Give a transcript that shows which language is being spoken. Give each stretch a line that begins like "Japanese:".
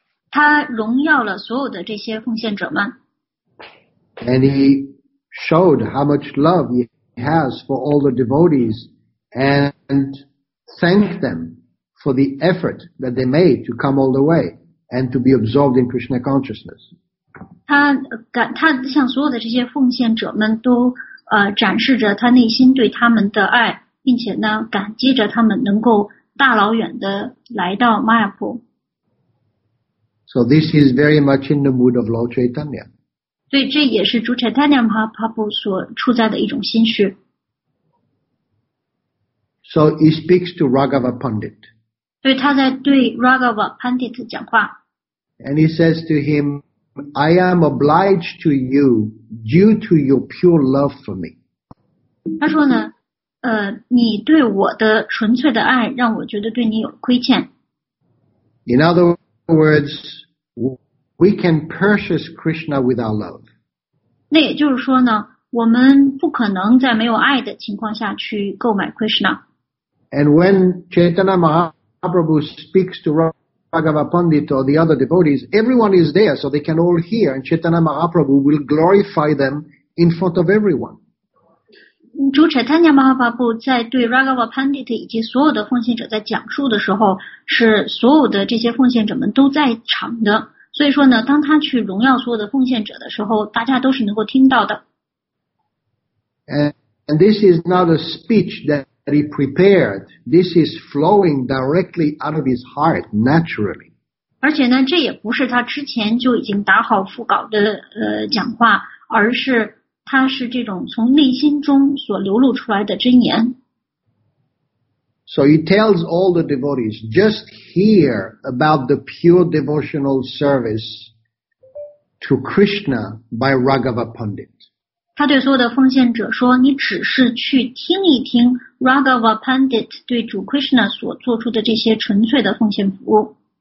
Chinese: 他荣耀了所有的这些奉献者们。
English: And he showed how much love he has for all the devotees and thanked them for the effort that they made to come all the way and to be absorbed in Krishna consciousness.
Chinese: 他向所有的这些奉献者们都展示着他内心对他们的爱，并且呢感激着他们能够大老远的来到 Mayapur.
English: So this is very much in the mood of Lord Chaitanya.
Chinese: 所以这也是主 Chaitanya Mahaprabhu 所处在的一种心绪。
English: So he speaks to Raghava Pandit.
Chinese: 所以他在对 Raghava Pandit 讲话。
English: And he says to him,I am obliged to you due to your pure love for me.
Chinese: 他说呢，你对我的纯粹的爱让我觉得对你有亏欠。
English: In other words, we can purchase Krishna with our love.
Chinese: 那也就是说呢，我们不可能在没有爱的情况下去购买 Krishna.
English: And when Chaitanya Mahaprabhu speaks to Raghava Pandit or the other devotees, everyone is there so they can all hear and Chaitanya Mahaprabhu will glorify them in front of everyone.
Chinese: 主 Chaitanya Mahaprabhu 在对 Raghava Pandit 以及所有的奉献者在讲述的时候，是所有的这些奉献者们都在场的，所以说呢，当他去荣耀所有的奉献者的时候，大家都是能够听到的。
English: And this is not a speech that he prepared. This is flowing directly out of his heart, naturally.
Chinese: 而且呢，这也不是他之前就已经打好腹稿的讲话，而是他是这种从内心中所流露出来的真言。
English: So he tells all the devotees, just hear about the pure devotional service to Krishna by Raghava Pandit.
Chinese: 他对所有的奉献者说，你只是去听一听 Raghava Pandit 对主 Krishna 所做出的这些纯粹的奉献服务。